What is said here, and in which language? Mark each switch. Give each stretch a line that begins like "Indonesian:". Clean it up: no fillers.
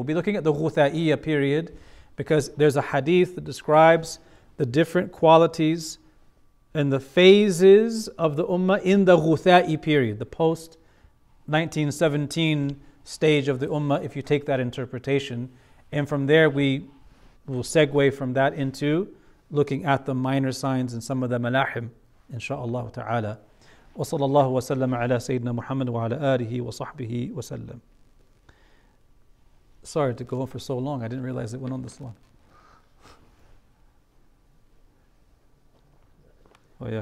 English: We'll be looking at the ghutha'iyya period because there's a hadith that describes the different qualities and the phases of the ummah in the ghutha'i period, the post-1917 stage of the ummah, if you take that interpretation. And from there, we will segue from that into looking at the minor signs and some of the malahim, inshaAllah ta'ala.
Arabic: وصلى الله وسلم على سيدنا محمد وعلى آله وصحبه وسلم.
English: Sorry to go on for so long. I didn't realize it went on this long. Oh yeah.